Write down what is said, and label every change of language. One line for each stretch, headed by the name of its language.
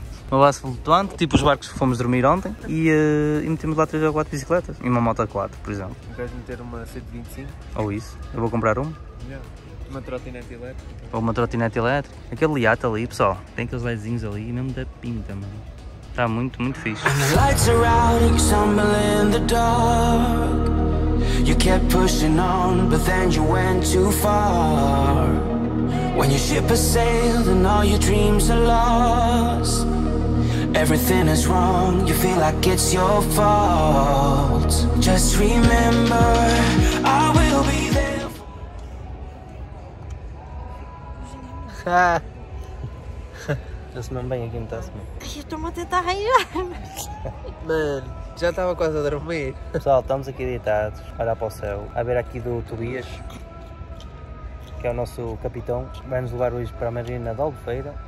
Portuguese: Uma base flutuante, tipo os barcos que fomos dormir ontem, e metemos lá 3 ou 4 bicicletas e uma moto 4, por exemplo. Queres meter uma 125? Ou isso, eu vou comprar uma. Uma trotinete elétrica. Ou uma trotinete elétrica. Aquele iate ali, pessoal, tem aqueles ledzinhos ali e mesmo da pinta, mano. Está muito, muito fixe.
English: Lights are out, you stumble in the dark. You kept pushing on, but then you went too far. When your ship has sailed and all your dreams are lost, everything is wrong, you feel like it's your fault. Just remember, I will be there for... Ha!
Portuguese: Está-se mesmo bem aqui, não está-se mesmo? Ai, eu estou-me a tentar arranjar. Mano, já estava quase a dormir. Pessoal, estamos aqui deitados, a olhar para o céu, a ver aqui do Tobias. Que é o nosso capitão, vai-nos levar hoje para a Marina de Albufeira.